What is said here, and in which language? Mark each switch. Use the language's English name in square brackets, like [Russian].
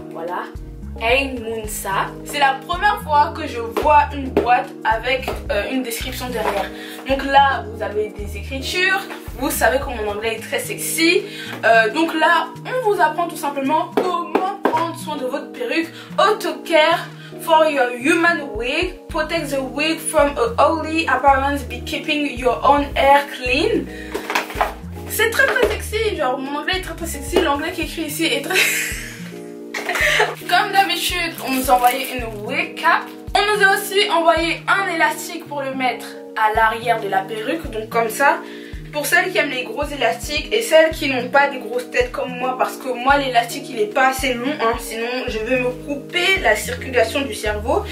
[French] Voilà, Aymunsa. C'est la première fois que je vois une boîte avec une description derrière. Donc là, vous avez des écritures. Vous savez que mon anglais est très sexy. Donc là, on vous apprend tout simplement comment prendre soin de votre perruque. [English] Auto care for your human wig. Protect the wig from an ugly appearance. Be keeping your own hair clean. [French] C'est très très sexy. Genre, mon anglais est très très sexy. L'anglais qui est écrit ici est très... Comme d'habitude, on nous a envoyé une wig cap. On nous a aussi envoyé un élastique pour le mettre à l'arrière de la perruque. Donc comme ça. Pour celles qui aiment les gros élastiques et celles qui n'ont pas des grosses têtes comme moi, parce que moi l'élastique il est pas assez long, hein, sinon je vais me couper la circulation du cerveau.